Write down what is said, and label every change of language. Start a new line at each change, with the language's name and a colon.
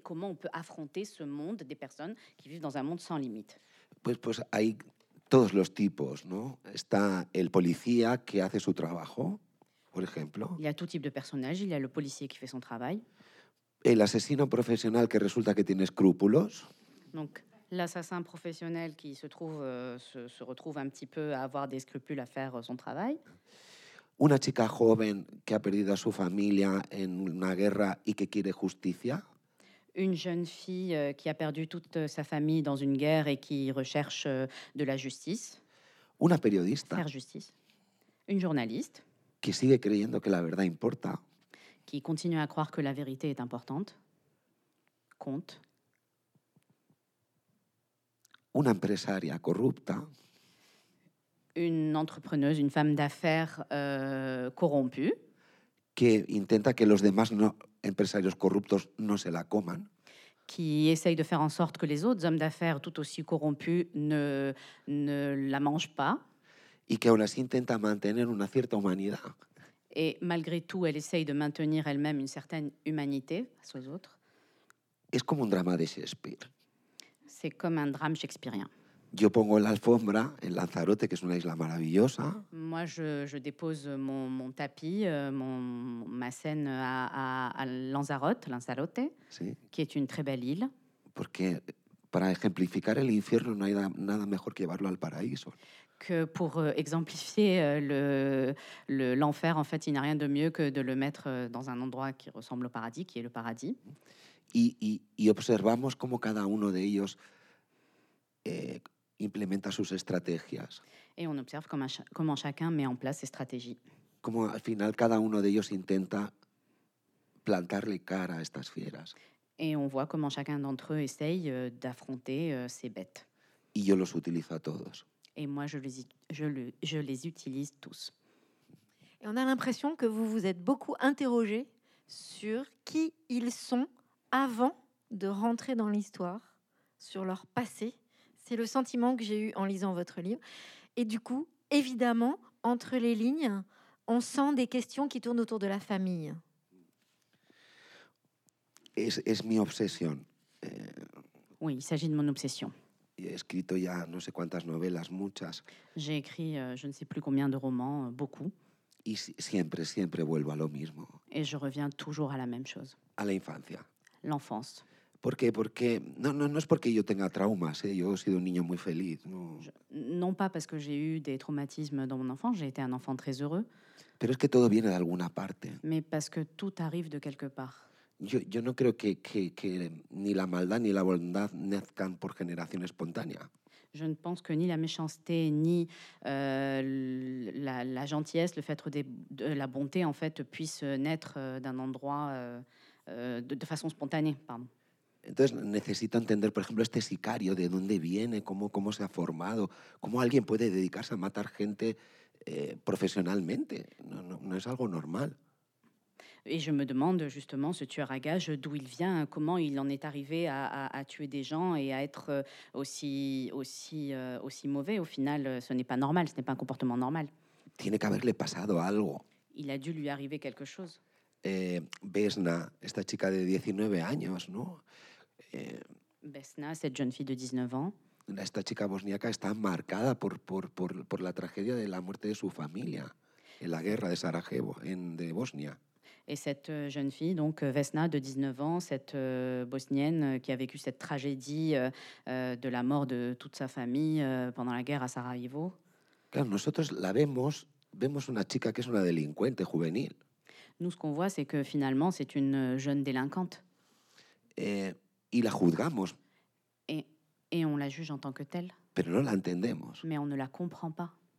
French: Et comment on peut affronter ce monde des personnes qui vivent dans un monde sans limite?
Spanish: Pues hay todos los tipos, ¿no? Está el policía que hace su trabajo, por ejemplo.
French: Il y a tout type de personnages. Il y a le policier qui fait son travail.
Spanish: El asesino profesional que resulta que tiene escrúpulos.
French: Donc, l'assassin professionnel qui se retrouve un petit peu à avoir des scrupules à faire son travail.
Spanish: Una chica joven que ha perdido a su familia en una guerra y que quiere justicia.
French: Une jeune fille qui a perdu toute sa famille dans une guerre et qui recherche de la justice.
Spanish: Una periodista.
French: Faire justice. Une journaliste.
Spanish: Que sigue creyendo que la verdad importa.
French: Qui continue à croire que la vérité est importante. Compte.
Spanish: Una empresaria corrupta.
French: Une entrepreneuse, une femme d'affaires corrompue.
Spanish: Que intenta que los demás no, empresarios corruptos no se la coman.
French: Qui essaye de faire en sorte que les autres hommes d'affaires tout aussi corrompus ne la mangent pas.
Spanish: Y que aún así intenta mantener una cierta humanidad.
French: Et malgré tout, elle essaye de maintenir elle-même une certaine humanité face aux autres.
Spanish: Es como un drama de Shakespeare.
French: C'est comme un drame shakespearien.
Spanish: Yo pongo la alfombra en Lanzarote, que es una isla maravillosa.
French: Moi, je dépose mon tapis, ma scène à Lanzarote,
Spanish: sí.
French: Qui est une très belle île.
Spanish: Porque para ejemplificar el infierno no hay nada mejor que llevarlo al paraíso.
French: Que pour exemplifier l'enfer, en fait, il n'y a rien de mieux que de le mettre dans un endroit qui ressemble au paradis, qui est le paradis.
Spanish: Y observamos cómo cada uno de ellos implementa sus estrategias.
French: Et on observe comment chacun met en place ses stratégies.
Spanish: Como al final cada uno de ellos intenta plantarle cara a estas fieras.
French: Et on voit comment chacun d'entre eux essaye d'affronter ces bêtes.
Spanish: Y yo los utilizo a todos.
French: Et moi je les utilise tous. Et on a l'impression que vous vous êtes beaucoup interrogé sur qui ils sont avant de rentrer dans l'histoire, sur leur passé. C'est le sentiment que j'ai eu en lisant votre livre. Et du coup, évidemment, entre les lignes, on sent des questions qui tournent autour de la famille.
Spanish: Es mi obsesión.
French: Oui, il s'agit de mon obsession.
Spanish: He escrito ya no sé cuántas novelas, muchas.
French: J'ai écrit je ne sais plus combien de romans, beaucoup.
Spanish: Y siempre vuelvo a lo mismo.
French: Et je reviens toujours à la même chose.
Spanish: A la infancia.
French: L'enfance.
Spanish: ¿Por qué? Porque no es porque yo tenga traumas, ¿eh? Yo he sido un niño muy feliz. No.
French: Non pas parce que j'ai eu des traumatismes dans mon enfance, j'ai été un enfant très heureux.
Spanish: Pero es que todo viene de alguna parte.
French: Mais parce que tout arrive de quelque part.
Spanish: Yo no creo que ni la maldad ni la bondad nazcan por generación espontánea.
French: Je ne pense que ni la méchanceté ni la gentillesse, le fait de la bonté en fait puissent naître d'un endroit de façon spontanée, pardon.
Spanish: Entonces necesito entender, por ejemplo, este sicario, de dónde viene, cómo se ha formado, cómo alguien puede dedicarse a matar gente profesionalmente. No es algo normal.
French: Et je me demande justement ce tueur à gages d'où il vient, comment il en est arrivé à tuer des gens et à être aussi mauvais. Au final, ce n'est pas normal, ce n'est pas un comportement normal.
Spanish: Tiene que haberle pasado algo.
French: Il a dû lui arriver quelque chose.
Spanish: Vesna, esta chica de 19 años, ¿no?
French: Vesna, cette jeune fille de 19 ans.
Spanish: Esta chica bosniaca está marcada por la tragedia de la muerte de su familia en la guerra de Sarajevo, de Bosnia.
French: Et cette jeune fille, donc Vesna de 19 ans, cette bosnienne qui a vécu cette tragédie de la mort de toute sa famille pendant la guerre à Sarajevo.
Spanish: Claro, nosotros la vemos una chica que es una delincuente juvenil.
French: Nous, ce qu'on voit, c'est que finalement, c'est une jeune délinquante.
Spanish: Y la juzgamos.
French: Et on la juge en tant que telle.
Spanish: Pero no la entendemos.
French: Mais on ne la comprend pas.